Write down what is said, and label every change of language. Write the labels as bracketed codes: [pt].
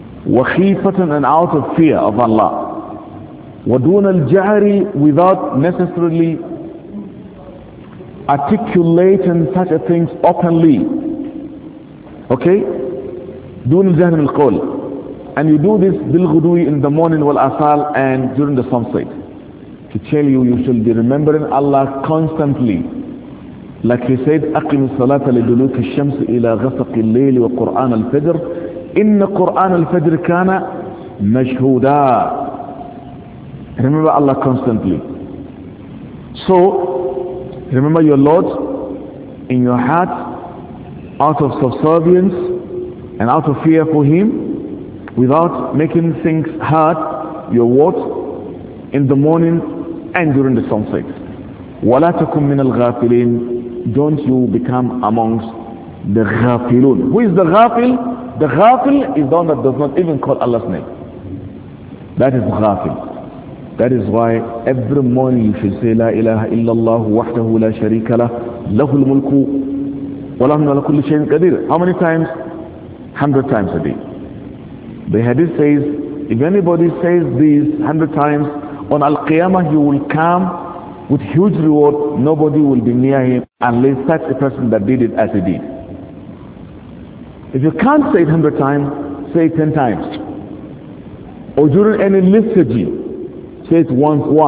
[ar] وخيفة [en] and out of fear of Allah [ar] ودون الجهر [en] without necessarily articulating such a things openly. [ar] Okay? دون الجهر من القول. [en] And you do this [ar] بالغدو [en] in the morning [ar] والأصال [en] and during the sunset. To tell you, you should be remembering Allah constantly. Like he said, [ar] أقم الصلاة لدلوك الشمس إلى غسق الليل وقرآن الفجر. إن قرآن الفجر كان مشهودا. [en] Remember Allah constantly. So, remember your Lord in your heart, out of subservience and out of fear for Him, without making things hard, your what, in the morning and during the sunset. [ar] وَلَا تَكُمْ مِنَ الْغَافِلِينَ [en] Don't you become amongst the غَافِلُونَ Who is the غَافِل? The غَافِل is the one that does not even call Allah's name. That is غَافِل. That is why every morning you should say [ar] لا إله إلا الله وحده لا شريك له له الملك وله على كل شيء قدير. [en] How many times? 100 times a day. The hadith says if anybody says these 100 times on Al-Qiyamah he will come with huge reward. Nobody will be near him unless such a person that did it as he did. If you can't say it 100 times, say it 10 times. Or during any liturgy, say it once.